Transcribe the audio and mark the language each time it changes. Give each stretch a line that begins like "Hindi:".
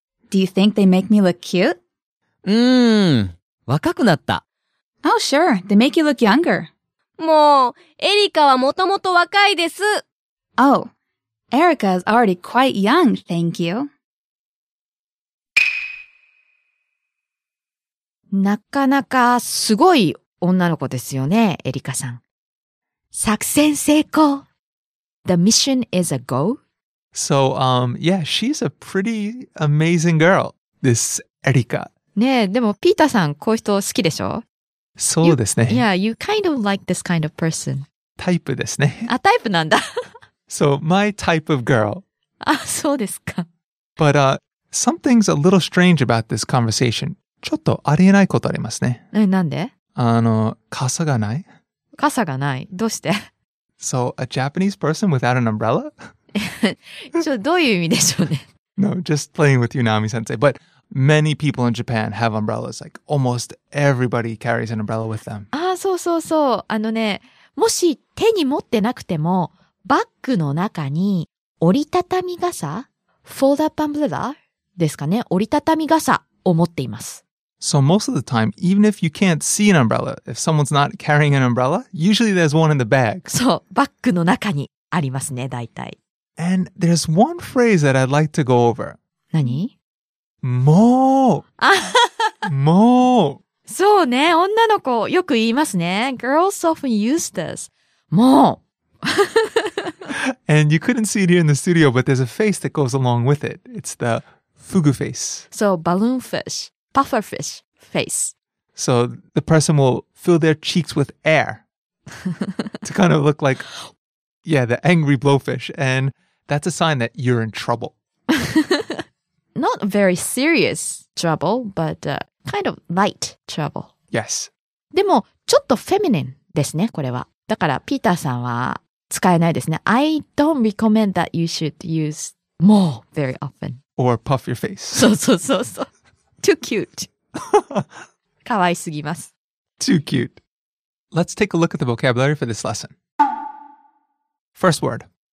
English: Do you think they make me look cute?
Japanese: Wakaku natta.
English: Oh, sure, they make you look younger.
Japanese: Mo, Erika wa motomoto wakai desu.
English: Oh, Erika is already quite young, thank you.
Japanese: なかなかすごい女の子ですよね、エリカさん。作戦成功。
English: The mission is a go. So, yeah, she's a pretty amazing girl, this Erika.
Japanese: ねえ、でもピーターさん、こういう人好きでしょ？そうですね。
English: You, yeah, you kind of like this kind of person.
Japanese: タイプですね。あ、タイプなんだ。
English: So, my type of girl.
Japanese: あ、そうですか。
English: But, something's a little strange about this conversation.
Japanese: ちょっとありえないことありますね。え、なんで？あの、傘がない。傘がない。どうして？
English: So, a Japanese person without an umbrella?
Japanese: ちょっとどういう意味でしょうね。
English: No, just playing with you, Naomi-sensei. But many people in Japan have umbrellas. Like, almost everybody carries an umbrella with them.
Japanese: あ、そうそうそう。あのね、もし手に持ってなくても、バッグの中に折りたたみ傘 ?
English: Fold-up umbrella?
Japanese: ですかね。折りたたみ傘。思っています。
English: So most of the time, even if you can't see an umbrella, if someone's not carrying an umbrella, usually there's one in the bag.
Japanese: そう、バッグの中にありますね、大体。
English: And there's one phrase that I'd like to go over.
Japanese: 何？もう！もう！そうね、女の子よく言いますね。
English: Girls often use this.
Japanese: もう！
English: And you couldn't see it here in the studio, but there's a face that goes along with it. It's the... Fugu face. So, balloon fish. Puffer fish face. So, the person will fill their cheeks with air to kind of look like, yeah, the angry blowfish. And that's a sign that you're in trouble. Not very serious trouble, but kind of light trouble. Yes.
Japanese: でも、ちょっとフェミニンですね、これは。だから、ピーターさんは使えないですね。
English: I don't recommend that you should use more very often. Or puff your face.
Japanese: そうそうそうそう。
English: Too cute.
Japanese: かわいすぎます。
English: Too cute. Let's take a look at the vocabulary for this lesson. First word.